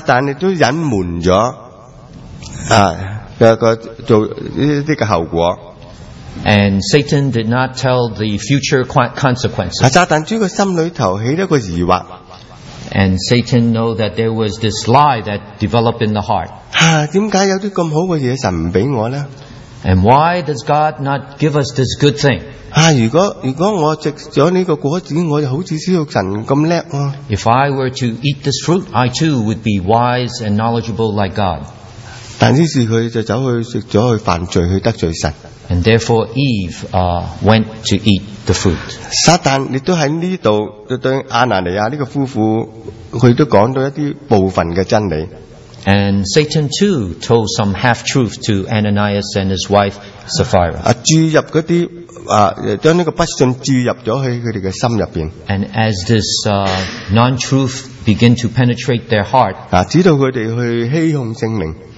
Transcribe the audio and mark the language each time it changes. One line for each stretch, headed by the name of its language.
Cantonese: 旦亦都隐瞒咗啊个做呢个后果。
English: And Satan did not tell the future consequences.
Cantonese: 撒旦喺个心里头起咗个疑惑。
English: And Satan know that there was this lie that developed in the heart.
Cantonese: 吓、啊，点解有啲咁好嘅嘢神唔俾我咧？
English: And why does God not give us this good thing?
Cantonese: 啊，如果我食咗呢个果子，我就好似知道神咁叻喎。
English: If I were to eat this fruit, I too would be wise and knowledgeable like God.
Cantonese: 但于是佢就走去食咗去犯罪，去得罪神。
English: And therefore Eve went to eat the fruit.
Cantonese: 撒旦亦都喺呢度就对亚拿尼亚呢个夫妇，佢都讲到一啲部分嘅真理。
English: And Satan too told some half truth to Ananias and his wife Sapphira.
Cantonese: 啊，注入嗰啲啊，将呢个不信注入咗喺佢哋嘅心入边。
English: And as this non-truth began to penetrate their heart,
Cantonese: 啊，知道佢哋去欺哄圣灵